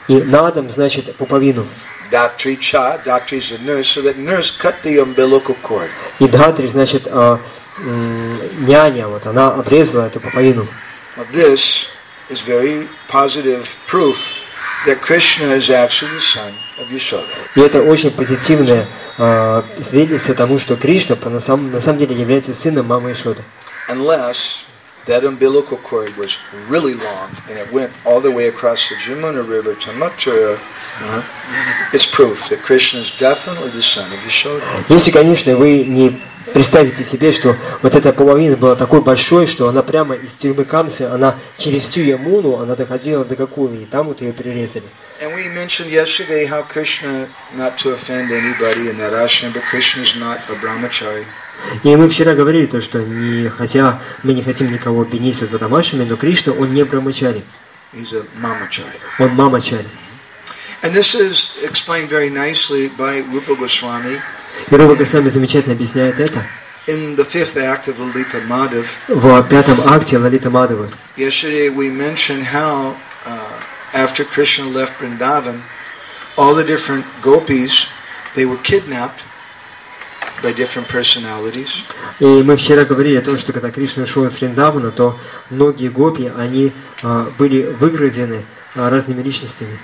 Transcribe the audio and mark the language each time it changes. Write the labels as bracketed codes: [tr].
[ru] И надам значит пуповину. [sa] Датри ча, [en] датри is a nurse, so that nurse cut the umbilical cord. [ru] И датри значит няня, вот она обрезала эту пуповину. [en] This is very positive proof that Krishna is actually the son of Yashoda. [ru] И это очень позитивное свидетельство тому, что Кришна на самом деле является сыном мамы Яшоды. [en] Unless that umbilical cord was really long and it went all the way across the Jamuna River to Mathura. It's proof that Krishna is definitely the son of Yashoda. [ru] Если, конечно, вы не представите себе, что вот эта пуповина была такой большой, что она прямо из тюрьмы Камсы, она через всю Ямуну, она доходила до Гокулы, и там вот ее прирезали. [en] And we mentioned yesterday how Krishna, not to offend anybody in that ashram, but Krishna is not a brahmachari. [ru] И мы вчера говорили то, что не, хотя мы не хотим никого обвинить в этом ашраме, но Кришна, он не брамачари. [en] He's a mamachari. [ru] Он мамачари. [en] And this is explained very nicely by Rupa Goswami. [ru] И Рупа Госвами замечательно объясняет это. [en] In the fifth act of Lalita Madhav. [ru] В пятом акте Лалита Мадхава. [en] Yesterday we mentioned how after Krishna left Vrindavan, all the different gopis, they were kidnapped by different personalities. [ru] И мы вчера говорили о том, что когда Кришна ушел из Вриндавана, то многие гопи, они были выграждены разными личностями.